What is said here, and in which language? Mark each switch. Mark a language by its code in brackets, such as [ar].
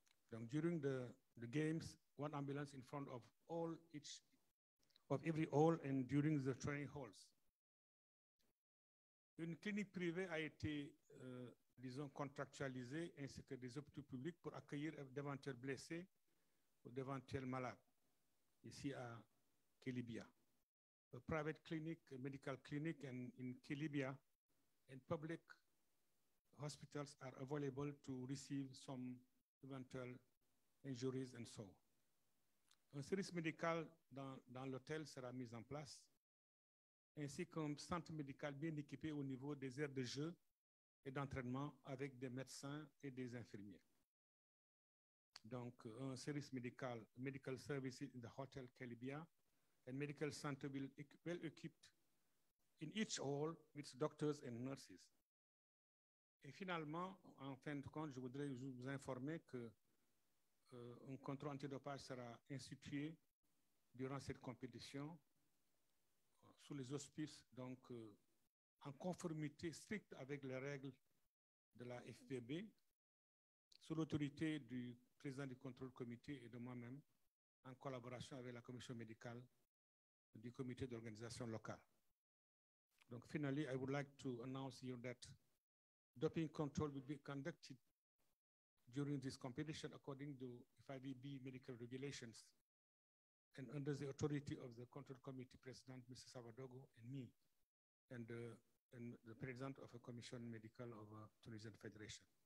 [en] Donc, during the games, one ambulance in front of all each of every hall and during the training halls. [fr] Une clinique privée a été, contractualisée ainsi que des hôpitaux publics pour accueillir d'éventuels blessés ou d'éventuels malades. Ici à [en] Kilibia, a private clinic, a medical clinic and in Kilibia, and public hospitals are available to receive some eventual injuries and so. [fr] Un service médical dans l'hôtel sera mis en place, ainsi qu'un centre médical bien équipé au niveau des aires de jeu et d'entraînement avec des médecins et des infirmiers. Donc, un service médical, [en] medical services in the hotel Kilibia, and medical center will well equipped in each hall with doctors and nurses. [fr] Et finalement, en fin de compte, je voudrais vous informer que un contrôle antidopage sera institué durant cette compétition sous les auspices, donc en conformité stricte avec les règles de la FBB, sous l'autorité du président du contrôle comité et de moi-même, en collaboration avec la commission médicale du comité d'organisation locale. [en] Donc, finally, I would like to announce you that doping control will be conducted during this competition according to FIVB medical regulations and under the authority of the control committee president, Mr. Savadogo, and me, and the president of a commission medical of a Tunisian Federation.